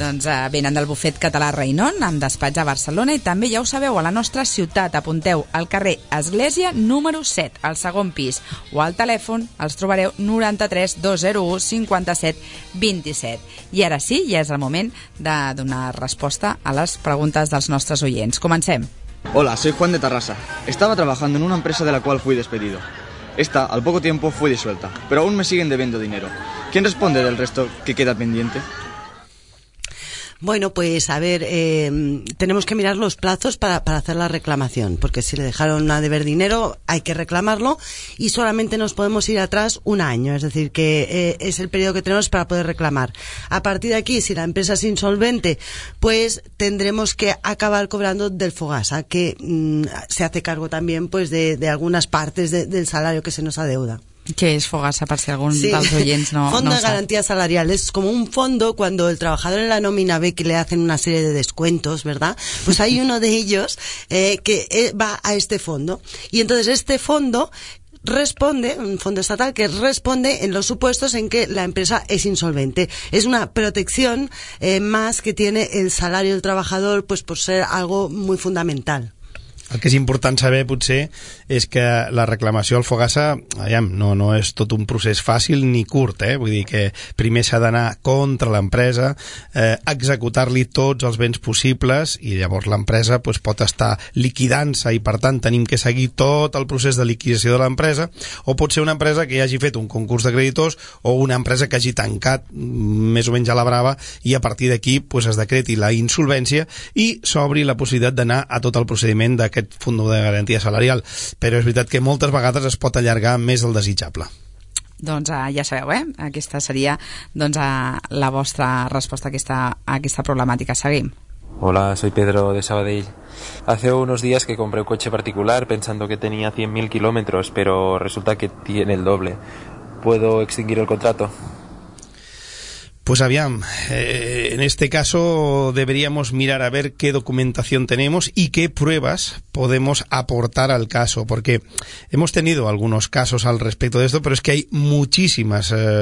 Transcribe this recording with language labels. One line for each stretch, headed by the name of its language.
Catalan: Doncs venen del bufet català Reynon, amb despatx a Barcelona i també, ja ho sabeu, a la nostra ciutat. Apunteu al carrer Església número 7, al segon pis, o al telèfon els trobareu 93-201-57-27. I ara sí, ja és el moment de donar resposta a les preguntes dels nostres oients. Comencem.
Spanish: Hola, soy Juan de Terrassa. Estaba trabajando en una empresa de la cual fui despedido. Esta, al poco tiempo, fue disuelta, pero aún me siguen debiendo dinero. ¿Quién responde del resto que queda pendiente? Bueno, pues a ver, tenemos que mirar los plazos para hacer la reclamación, porque si le dejaron a deber dinero, hay que reclamarlo y solamente nos podemos ir atrás un año, es decir, que es el periodo que tenemos para poder reclamar. A partir de aquí, si la empresa es insolvente, pues tendremos que acabar cobrando del Fogasa, que se hace cargo también pues de algunas partes del salario que se nos adeuda.
Catalan: Que es Fogasa, per si algun dels oients no...
Spanish: Fondo de Garantía Salarial. Es como un fondo cuando el trabajador en la nómina ve que le hacen una serie de descuentos, ¿verdad? Pues hay uno de ellos que va a este fondo. Y entonces este fondo responde, un fondo estatal que responde en los supuestos en que la empresa es insolvente. Es una protección más que tiene el salario del trabajador, pues por ser algo muy fundamental.
Catalan: El que és important saber, potser, és que la reclamació al Fogasa, aviam, no és tot un procés fàcil ni curt, eh? Vull dir que primer s'ha d'anar contra l'empresa, executar-li tots els béns possibles i llavors l'empresa pues, pot estar liquidant-se i, per tant, tenim que seguir tot el procés de liquidació de l'empresa, o pot ser una empresa que ja hagi fet un concurs de creditors o una empresa que hagi tancat més o menys a la brava i a partir d'aquí pues, es decreti la insolvència i s'obri la possibilitat d'anar a tot el procediment de aquest fondo de garantia salarial, però és veritat que moltes vegades es pot allargar més del desitjable. Doncs ja sabeu, aquesta seria doncs, la vostra resposta a aquesta problemàtica. Seguim.
Spanish: Hola, soy Pedro de Sabadell. Hace unos días que compré un coche particular pensando que tenía 100.000 kilómetros, pero resulta que tiene el doble. ¿Puedo extinguir el contrato? Pues aviam, en este caso deberíamos mirar a ver qué documentación tenemos y qué pruebas podemos aportar al caso, porque hemos tenido algunos casos al respecto de esto, pero es que hay muchísimas